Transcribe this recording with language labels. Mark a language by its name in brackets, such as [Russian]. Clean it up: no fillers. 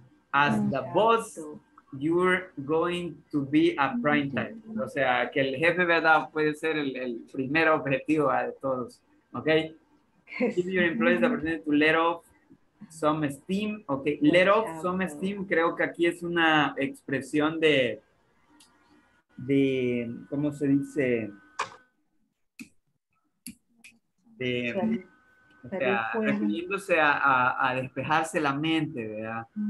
[English] As the boss, you're going to be a prime time. [Spanish] O sea, que el jefe, verdad, puede ser el primer objetivo de todos. [English] Okay? Give your employees the opportunity to let off some steam, okay. Let off some steam, [Spanish] creo que aquí es una expresión de ¿cómo se dice? Refiriéndose a despejarse la mente, ¿verdad?